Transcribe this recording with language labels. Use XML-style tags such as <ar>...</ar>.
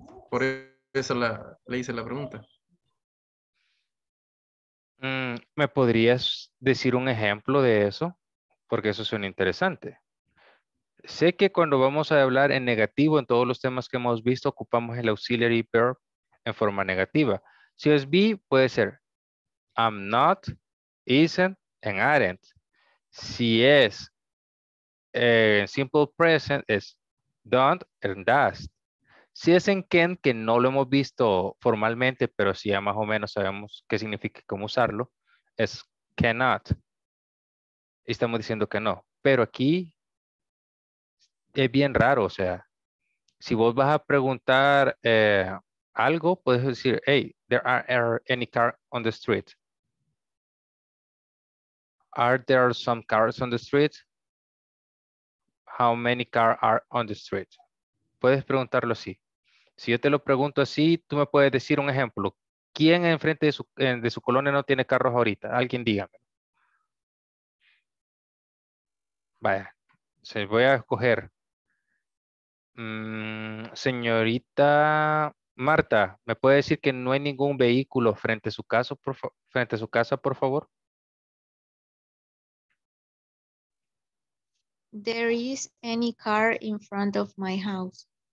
<es>Por eso le hice la pregunta. ¿Me podrías decir un ejemplo de eso? Porque eso suena interesante. Sé que cuando vamos a hablar en negativo en todos los temas que hemos visto, ocupamos el auxiliary verb en forma negativa. Si es be, puede ser</es> <en>I'm not, isn't, and aren't.</en> <es>Si es simple present, es</es> <en>don't and does.</en> <es>Si es en can, que no lo hemos visto formalmente, pero si ya más o menos sabemos qué significa y cómo usarlo, es cannot. Y estamos diciendo que no. Pero aquí es bien raro, o sea, si vos vas a preguntar algo, puedes decir,</es> <en>hey, there are any cars on the street? Are there some cars on the street? How many cars are on the street?</en> <es>Puedes preguntarlo así. Si yo te lo pregunto así, tú me puedes decir un ejemplo. ¿Quién enfrente de su colonia no tiene carros ahorita? Alguien dígame. Vaya, se voy a escoger. Señorita Marta, ¿me puede decir que no hay ningún vehículo frente a su casa, por favor?</es> <en>There is any car in front of my house.</en>